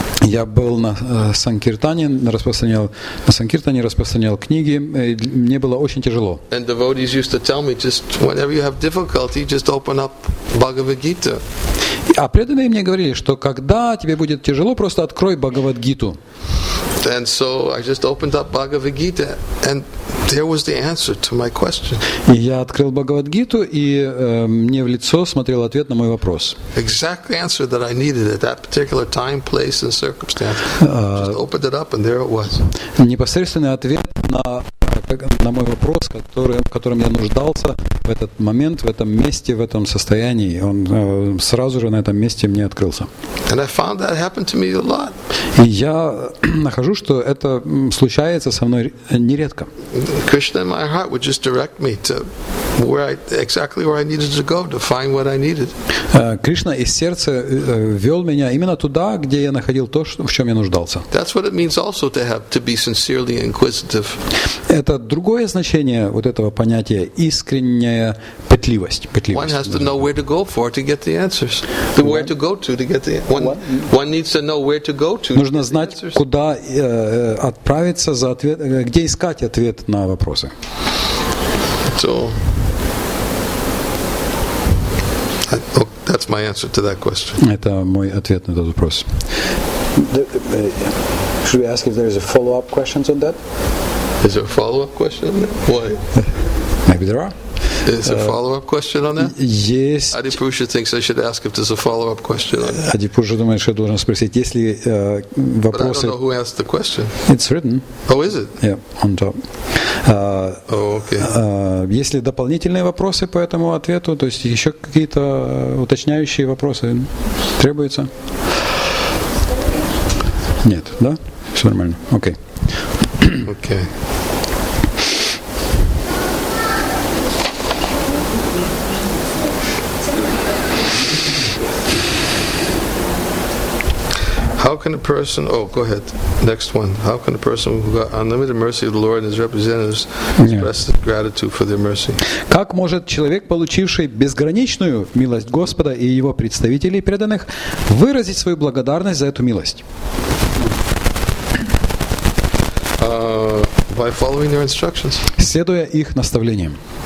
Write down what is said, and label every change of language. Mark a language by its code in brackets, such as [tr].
[ru] Я был на Санкиртане, распространял книги, и мне было очень тяжело. [en] And devotees used to tell me, just whenever you have difficulty, just open up Bhagavad Gita. [ru] А преданные мне говорили, что когда тебе будет тяжело, просто открой Бхагавад Гиту. [en] And so I just opened up Bhagavad Gita, and there was the answer to my question. [ru] Я открыл Бхагавад Гиту, и мне в лицо смотрел ответ на мой вопрос. [en] Exact answer that I needed at that particular time, place, and circumstance. Just opened it up, and there it was. [ru] Непосредственный ответ на мой вопрос, которым я нуждался в этот момент, в этом месте, в этом состоянии. Он сразу же на этом месте мне открылся. [en] And I found that happened to me a lot. [ru] И я нахожу, что это случается со мной нередко. [en] Krishna in my heart would just direct me to where I, exactly where I needed to go to find what I needed. [ru] Кришна из сердца вел меня именно туда, где я находил то, в чем я нуждался. [en] That's what it means also to have to be sincerely inquisitive. [ru] Это другое значение вот этого понятия искренняя пытливость. [en] One has to know where to go for to get the answers. Where to go to get the answers. One needs to know where to go to. [ru] Нужно знать, куда отправиться за ответ, где искать ответ на вопросы. [en] So, that's my answer to that question. [ru] Это мой ответ на этот вопрос. [en] Should we ask if there is a follow-up questions on that? Is there a follow-up question? Why? Maybe there are. Is there a follow-up question on that? [ru] Есть. [en] Adipusha thinks I should ask if there's a follow-up question on that. [ru] Adipusha думает, что должен спросить, есть ли вопросы. [en] But I don't know who asked the question. It's written. Oh, is it? Yeah, on top. Okay. [ru] Есть ли дополнительные вопросы по этому ответу? То есть еще какие-то уточняющие вопросы требуются? Нет, да? Все нормально. Окей. Окей. [en] How can a person, how can a person who got unlimited mercy of the Lord and his representatives express gratitude for their mercy? [ru] Как может человек, получивший безграничную милость Господа и его представителей преданных, выразить свою благодарность за эту милость? [en] By following their instructions. [ru] Следуя их наставлениям.